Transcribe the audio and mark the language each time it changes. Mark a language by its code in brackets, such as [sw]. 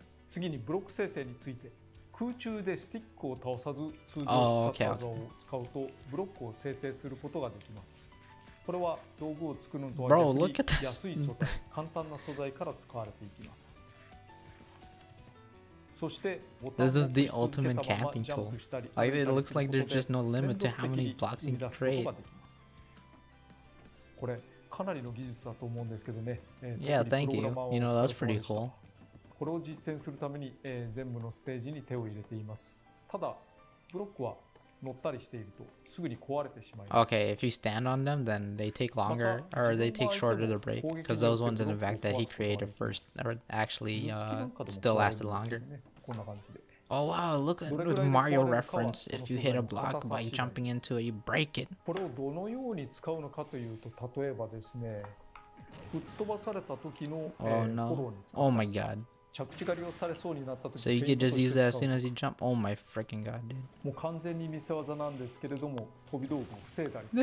[ja] 次にブロック生成について。空中でスティックを倒さず通常の殺技を使うとブロックを生成することができます。これは道具を作るのとは逆に安い素材、簡単な素材から使われていきます。そして [en] This is the ultimate camping tool. Like, it looks like there's just no limit to how many blocks you can create. [ja] これかなりの技術だと思うんですけどね。 [en] Yeah, thank you. You know, that's pretty cool. [ja] これを実践するために全部のステージに手を入れています。ただブロックは乗ったりしているとすぐに壊れてしまいます。 [en] Okay, if you stand on them, then they take longer or they take shorter to break. Because those ones in the back that he created first or actually still lasted longer. Oh wow, look at the Mario reference. If you hit a block by jumping into it, you break it. [ja] これをどのように使うのかというと、例えばですね、吹っ飛ばされた時の、 [en] oh no. Oh my god. So you could just use it as soon as you jump? Oh my freaking god, dude. [ja] もう完全に見せ技なんですけれども、飛び道具を防いだり。